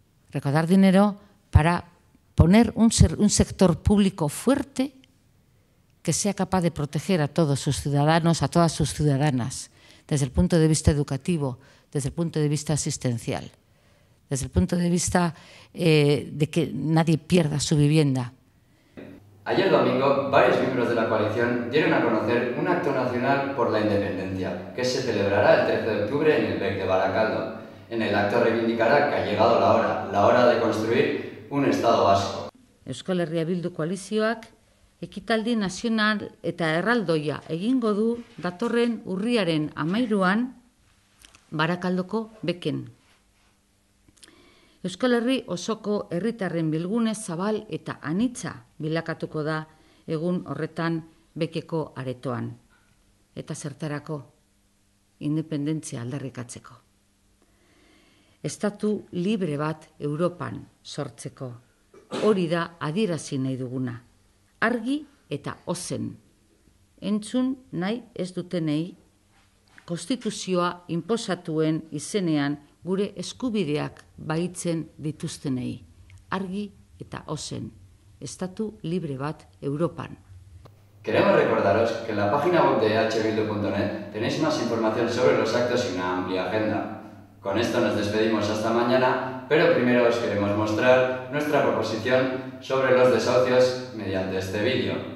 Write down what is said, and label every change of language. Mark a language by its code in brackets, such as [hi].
[es] Recaudar dinero para poner un sector público fuerte que sea capaz de proteger a todos sus ciudadanos, a todas sus ciudadanas, desde el punto de vista educativo, desde el punto de vista asistencial, desde el punto de vista de que nadie pierda su vivienda. Ayer domingo, varios miembros de la coalición dieron a conocer un acto nacional por la independencia, que se celebrará el 13 de octubre en el BEC de Baracaldo. En el acto reivindicará que ha llegado la hora de construir un Estado vasco. [eu] Euskal Herria Bildu koalizioak ekitaldi nazional eta erraldoia egingo du datorren urriaren 13an Barakaldoko beken. Euskal Herri osoko herritarren bilgune zabal eta anitza bilakatuko da egun horretan bekeko aretoan. Eta zertarako, independentzia aldarrikatzeko. Estatu libre bat Europan sortzeko. Hori da adierazi nahi duguna. Argi eta ozen. Entzun nahi ez dutenei, konstituzioa inposatuen izenean gure eskubideak bahitzen dituztenei. Argi eta ozen. Estatu libre bat Europan. [es] Queremos recordaros que en la página web de ehbildu.net tenéis más información sobre los actos y una amplia agenda. Con esto nos despedimos hasta mañana, pero primero os queremos mostrar nuestra proposición sobre los desahucios mediante este vídeo.